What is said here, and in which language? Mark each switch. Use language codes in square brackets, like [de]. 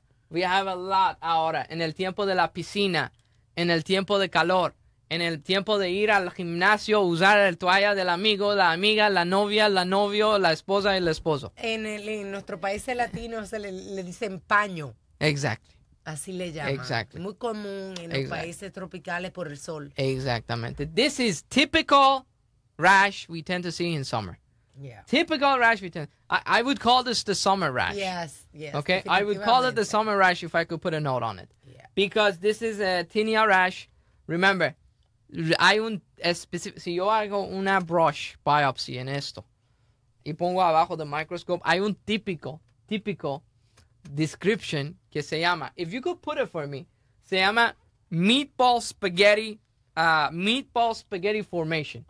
[en] We have a lot [es] ahora, en el tiempo de la piscina, en el tiempo de calor, en el tiempo de ir al gimnasio, usar el toalla del amigo, la amiga, la novia, la novio, la esposa y el esposo. En nuestro país latino se le dicen paño. [en] Exactly. [es] Así le llaman. [en] Exactly. [es] Muy común en los países tropicales por el sol. Exactamente. [en] This is typical rash we tend to see in summer. Yeah. Typical rash. I would call this the summer rash. Yes. Okay. I would call it the summer rash if I could put a note on it. Yeah. Because this is a tinea rash. Remember, [es] hay un específico. Si yo hago una brush biopsy en esto y pongo abajo del microscope, hay un típico description que se llama. [en] If you could put it for me, [es] se llama [en] meatball spaghetti formation.